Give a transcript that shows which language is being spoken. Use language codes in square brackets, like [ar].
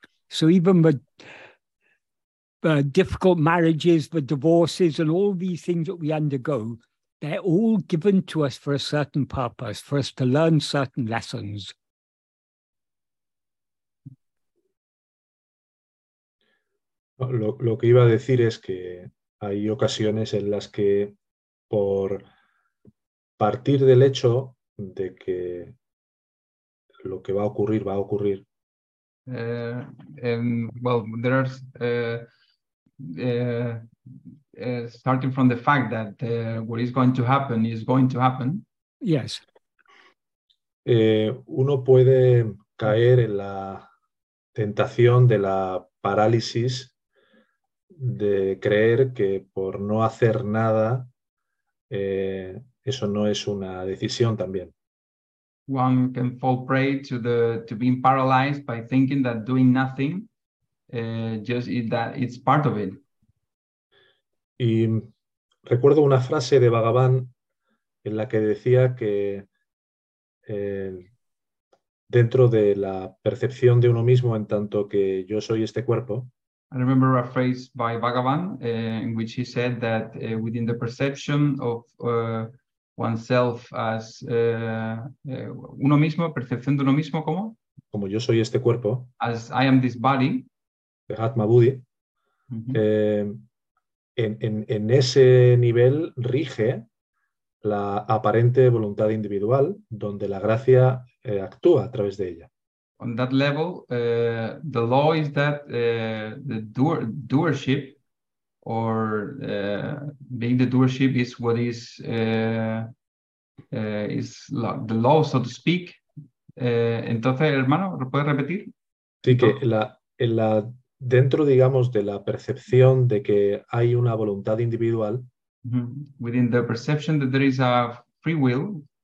[en] So even the difficult marriages, the divorces, and all these things that we undergo, they're all given to us for a certain purpose, for us to learn certain lessons. [es] Lo que iba a decir es que hay ocasiones en las que, por partir del hecho de que lo que va a ocurrir, va a ocurrir. [en] Starting from the fact that what is going to happen is going to happen. Yes. [es] Uno puede caer en la tentación de la parálisis, de creer que por no hacer nada, eso no es una decisión también. [en] One can fall prey to being paralyzed by thinking that doing nothing, that it's part of it. [es] Y recuerdo una frase de Bhagavan en la que decía que dentro de la percepción de uno mismo en tanto que yo soy este cuerpo, [en] I remember a phrase by Bhagavan in which he said that within the perception of oneself as [es] uno mismo, percepción de uno mismo, ¿cómo? Como yo soy este cuerpo. [en] As I am this body. [es] De Atma Buddhi. Mm-hmm. En ese nivel rige la aparente voluntad individual donde la gracia actúa a través de ella. [en] On that level, the law is that the doership or being the doership is what is the law, so to speak. [es] Entonces, hermano, ¿lo puedes repetir? Sí, que en la dentro, digamos, de la percepción de que hay una voluntad individual. Mm-hmm. [en] Within the perception that there is a free will.